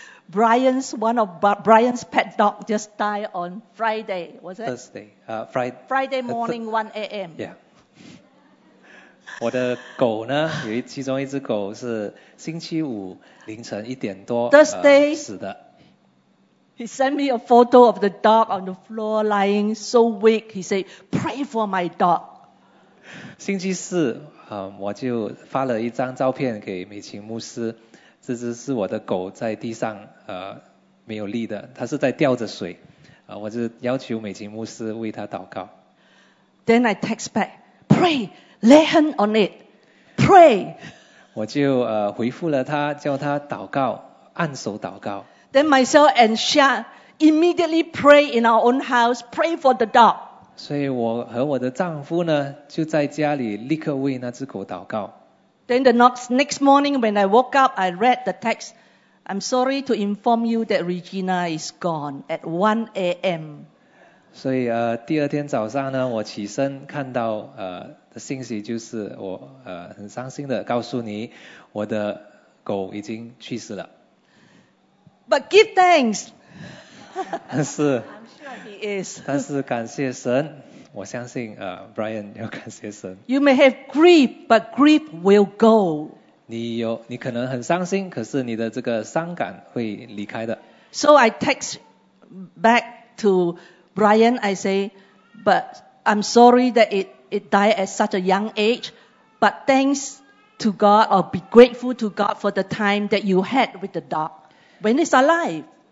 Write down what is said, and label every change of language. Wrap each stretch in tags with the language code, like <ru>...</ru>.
<en>One of Brian's pet dog just died on Friday, was it? Friday morning, 1 a.m. Yeah.</en> <zh>我的狗呢，其中一只狗是星期五凌晨一点多死的。</zh> <en>He sent me a photo of the dog on the floor lying so weak. He said, pray for my dog.</en> <zh>星期四我就发了一张照片给美琴牧师。这只是我的狗在地上没有力的，它是在吊着水。我就要求美琴牧师为它祷告。</zh> <en>Then I text back, pray, lay hand on it, pray.</en> <zh>我就回复了他，叫他祷告按手祷告。</zh> <en>Then myself and Sha immediately pray in our own house, pray for the dog.</en> <zh>所以我和我的丈夫呢，就在家里立刻为那只狗祷告。</zh> <en>Then the next morning when I woke up, I read the text. I'm sorry to inform you that Regina is gone at 1 a.m.</en> <zh>所以第二天早上呢，我起身看到的信息就是我很伤心的告诉你，我的狗已经去世了。</zh> <en>But give thanks.</en> <zh>但是</zh> <en>I'm sure he is.</en> <zh>但是感谢神。我相信Brian 要感谢神。</zh> <en>You may have grief, but grief will go.</en> <zh>你可能很伤心，可是你的这个伤感会离开的。</zh> <en>So I text back to Brian. I say, but I'm sorry that it died at such a young age. But thanks to God, or be grateful to God for the time that you had with the dog when it's alive.</en>